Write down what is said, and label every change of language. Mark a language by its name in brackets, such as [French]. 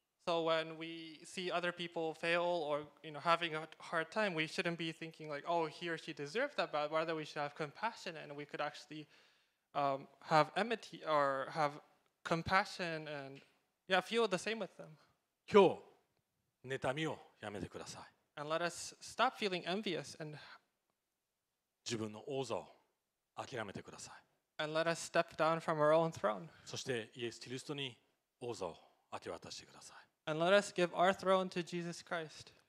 [English] So when we see other people fail or you know, having a hard time, we shouldn't be thinking like, oh, he or she deserved that, but rather we should have compassion and we could actually have empathy or have compassion and yeah, feel the same with them. [Japanese] 今日、妬みをやめてください。 [English] And let us stop feeling envious and [Japanese] 自分の王座を諦めてください。 [English] And let us step down from our own throne. [Japanese] そしてイエス・キリストに王座を明け渡してください。 [English] And let us give our throne to Jesus Christ.